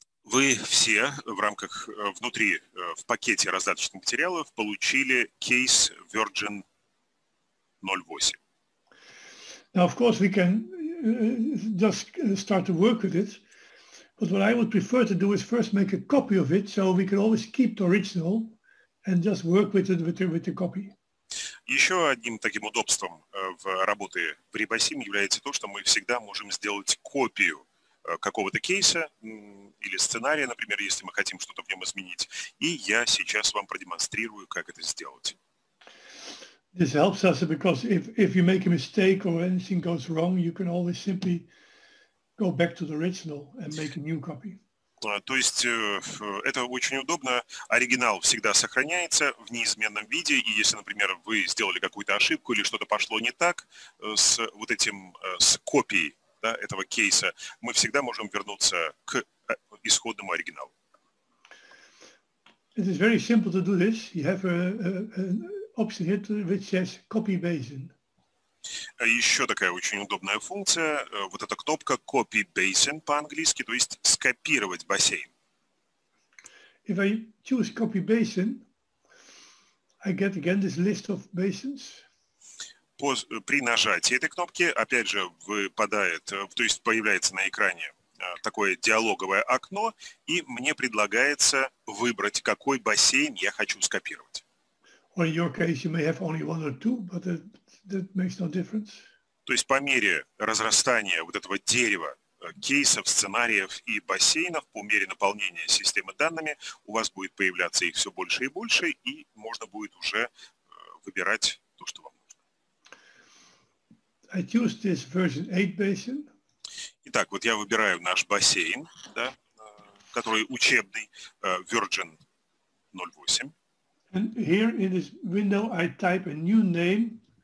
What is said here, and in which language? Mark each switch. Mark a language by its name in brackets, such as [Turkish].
[Russian] Вы все в рамках, внутри, в пакете раздаточных материалов получили кейс Virgin 08. [English] Now, of course, we can just start to work with it. But what I would prefer to do is first make a copy of it, so we can always keep the original and just work with it with the copy. [Russian] Еще одним таким удобством в работе в RebusSim является то, что мы всегда можем сделать копию какого-то кейса или сценария, например, если мы хотим что-то в нем изменить. И я сейчас вам продемонстрирую, как это сделать. [English] This helps us because if you make a mistake or anything goes wrong, you can always simply go back to the original and make a new copy. [Russian] То есть это очень удобно. Оригинал всегда сохраняется в неизменном виде. И если, например, вы сделали какую-то ошибку или что-то пошло не так с вот этим, с копией, да, этого кейса, мы всегда можем вернуться к исходному оригиналу. [English] It is very simple to do this. You have an option here which says copy basin. [Russian] Еще такая очень удобная функция, вот эта кнопка copy basin по-английски, то есть скопировать бассейн. [English] If I choose copy basin, I get again this list of basins. [Russian] При нажатии этой кнопки, опять же, выпадает, то есть появляется на экране такое диалоговое окно, и мне предлагается выбрать, какой бассейн я хочу скопировать. То есть по мере разрастания вот этого дерева кейсов, сценариев и бассейнов, по мере наполнения системы данными, у вас будет появляться их все больше и больше, и можно будет уже выбирать то, что вам нужно. [English] I choose this version 8 basin. [Russian] Итак, вот я выбираю наш бассейн, да, который учебный, Virgin 08. [English] And here in this window I type a new name.